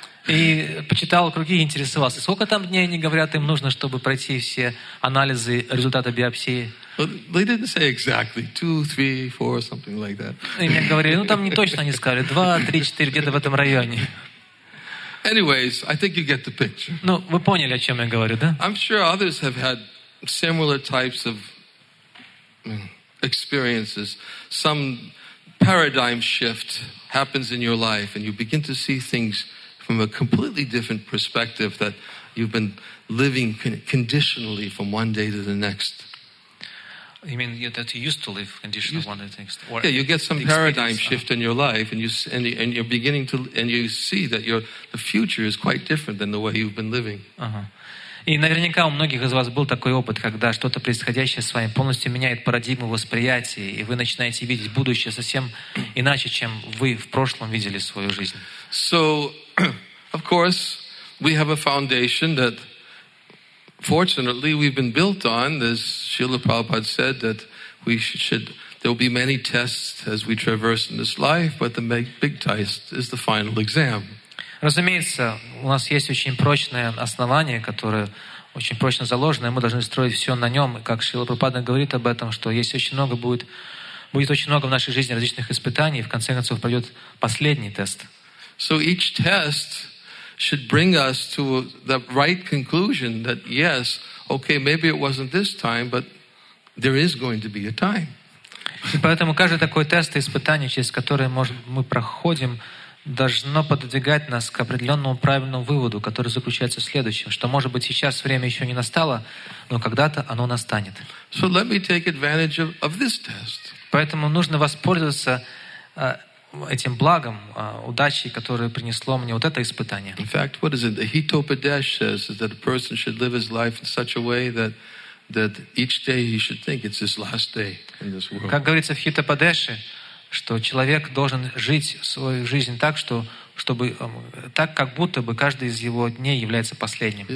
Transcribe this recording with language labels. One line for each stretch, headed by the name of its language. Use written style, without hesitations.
Russian: И почитал круги и интересовался, сколько там дней они говорят им нужно, чтобы пройти все анализы результата биопсии?
English: Well, they didn't say exactly 2, 3, 4, something like that.
Russian: И мне говорили, ну там не точно они сказали, 2, 3, 4 где-то в этом районе.
English: Anyways, I think you get the picture.
Russian: Ну, вы поняли, о чем я говорю, да?
English: I'm sure others have had similar types of experiences. Some paradigm shift happens in your life, and you begin to see things from a completely different perspective that you've been living conditionally from one day to the next. You mean that you used to live conditionally one day to the next? Or yeah, you get some paradigm shift in your life, and you're beginning to, and you see that the future is quite different than the way you've been living.
Russian: И наверняка у многих из вас был такой опыт, когда что-то происходящее с вами полностью меняет парадигму восприятия, и вы начинаете видеть будущее совсем иначе, чем вы в прошлом видели свою жизнь.
English: So, of course, we have a foundation that, fortunately, we've been built on. As Srila Prabhupada said, that we should there will be many tests as we traverse in this life, but the big test is the final exam.
Russian: Разумеется, у нас есть очень прочное основание, которое очень прочно заложено, и мы должны строить все на нем. И как Шрила Прабхупада говорит об этом, что есть очень много будет очень много в нашей жизни различных испытаний, и в конце концов пройдет последний тест.
English: So each test should bring us to the right conclusion that yes, okay, maybe it wasn't this time, but there is going to be a time.
Russian: И поэтому каждый такой тест и испытание, через которое мы проходим, должно подвигать нас к определенному правильному выводу, который заключается в следующем, что, может быть, сейчас время еще не настало, но когда-то оно настанет.
English: So let me take advantage of this test.
Russian: Поэтому нужно воспользоваться этим благом, удачей, которую принесло мне вот это испытание.
English: In fact, what is it? The Hitopadesh says that a person should live his life in such a way that each day he should think it's his last day in this world.
Russian: Как говорится в Хитопадеше, что человек должен жить свою жизнь так, чтобы так, как будто бы каждый из его дней является последним.